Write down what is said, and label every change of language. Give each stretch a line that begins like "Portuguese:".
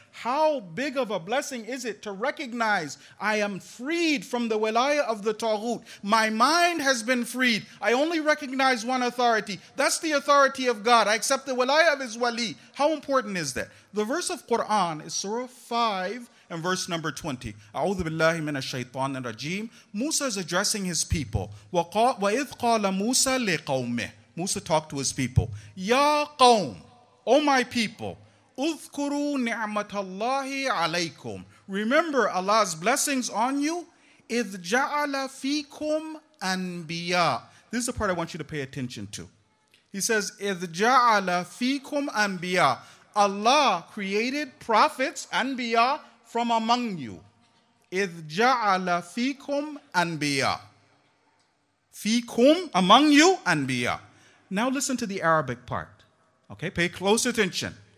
English: How big of a blessing is it to recognize I am freed from the wilaya of the taghut? My mind has been freed. I only recognize one authority. That's the authority of God. I accept the wilaya of his wali. How important is that? The verse of Quran is Surah 5. And verse number 20.
Arabic: أعوذ بالله من الشيطان الرجيم.
English: Musa is addressing his people.
Arabic: وَإِذْ قَالَ مُوسَى لِقَوْمِهِ.
English: Musa talked to his people.
Arabic: يَا قَوْمِ.
English: O my people.
Arabic: أُذْكُرُوا نِعْمَةَ اللَّهِ عَلَيْكُمْ.
English: Remember Allah's blessings on you.
Arabic: إِذْ جَعَلَ فِيكُمْ أَنْبِيَا.
English: This is the part I want you to pay attention to. He says,
Arabic: إِذْ جَعَلَ فِيكُمْ أَنْبِيَا.
English: Allah created prophets, أَنْبِيَا, from among you.
Arabic: إِذْ جَعَلَ فِيكُمْ أَنْبِيَا. فِيكُمْ,
English: among you,
Arabic: أَنْبِيَا.
English: Now listen to the Arabic part. Okay, pay close attention.